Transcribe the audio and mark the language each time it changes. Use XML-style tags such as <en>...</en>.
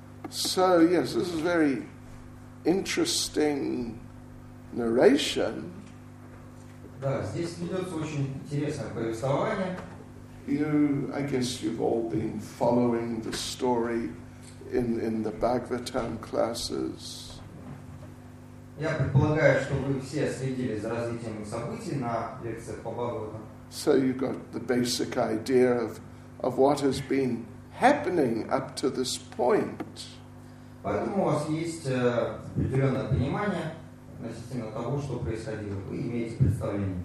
<en>So, yes, this is a very interesting narration.</en> <ru>Да, здесь ведется очень интересное повествование.</ru> <en>You, I guess you've all been following the story in the Bhagavatam classes.</en> <ru>Я предполагаю, что вы все следили за развитием событий на лекциях по Бхагаватам.</ru> <en>So you got the basic idea of what has been happening up to this point.</en> <ru>Поэтому у вас есть определенное понимание относительно того, что происходило. Вы имеете представление.</ru>